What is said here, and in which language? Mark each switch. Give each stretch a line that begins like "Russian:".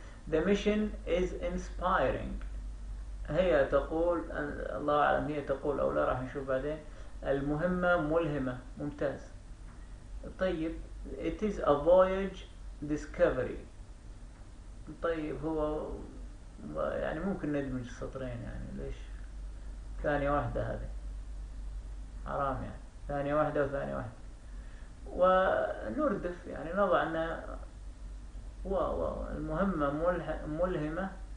English: The mission is inspiring.
Arabic: هي تقول، الله أعلم هي تقول أو لا، راح نشوف بعدين. المهمة ملهمة، ممتاز. طيب
English: it is a voyage discovery.
Arabic: طيب هو يعني ممكن ندمج السطرين، يعني ليش ثانية واحدة؟ هذه حرام يعني، ثانية واحدة وثانية واحدة ونردف، يعني نضع أن المهمة ملهمة.